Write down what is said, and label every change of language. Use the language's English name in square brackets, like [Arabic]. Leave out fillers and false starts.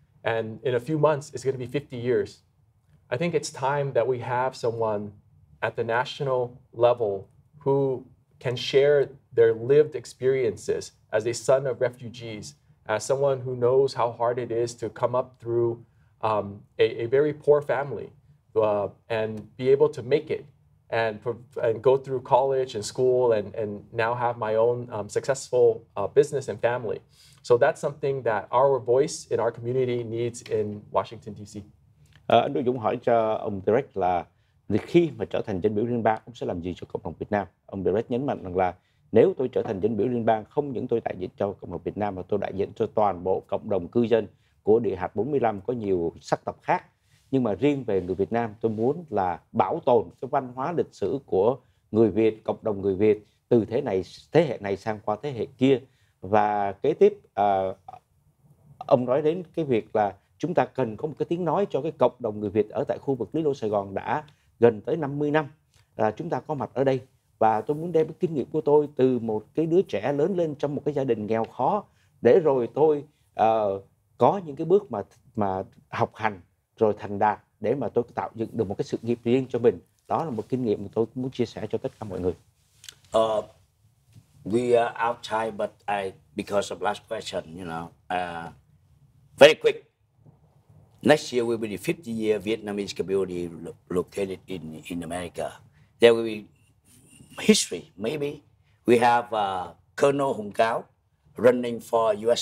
[English] And in a few months, it's going to be 50 years. I think it's time that we have someone at the national level who can share their lived experiences as a son of refugees, as someone who knows how hard it is to come up through a very poor family and be able to make it and go through college and school and now have my own successful business and family. So that's something that our voice in our community needs in Washington, D.C. [Vietnamese] Anh Đỗ Dũng hỏi cho ông Derek là khi mà trở thành dân biểu liên bang, ông sẽ làm gì cho cộng đồng Việt Nam? Ông Derek nhấn mạnh rằng là nếu tôi trở thành dân biểu liên bang, không những tôi đại diện cho cộng đồng Việt Nam mà tôi đại diện cho toàn bộ cộng đồng cư dân của địa hạt 45 có nhiều sắc tộc khác. Nhưng mà riêng về người Việt Nam, tôi muốn là bảo tồn cái văn hóa lịch sử của người Việt, cộng đồng người Việt từ thế hệ này sang qua thế hệ kia. Và kế tiếp, ông nói đến cái việc là chúng ta cần có một cái tiếng nói cho cái cộng đồng người Việt ở tại khu vực Lý Lô Sài Gòn đã gần tới 50 năm là chúng ta có mặt ở đây. Và tôi muốn đem cái kinh nghiệm của tôi từ một cái đứa trẻ lớn lên trong một cái gia đình nghèo khó để rồi tôi có những cái bước mà học hành rồi thành đạt để mà tôi tạo dựng được một cái sự nghiệp riêng cho mình. Đó là một kinh nghiệm mà tôi muốn chia sẻ cho tất cả mọi người. [English] We are out time, but because of last question, you know, very quick. Next year will be the 50-year Vietnamese community located in America. There will be history, maybe. We have Colonel Hùng Cáo running for U.S.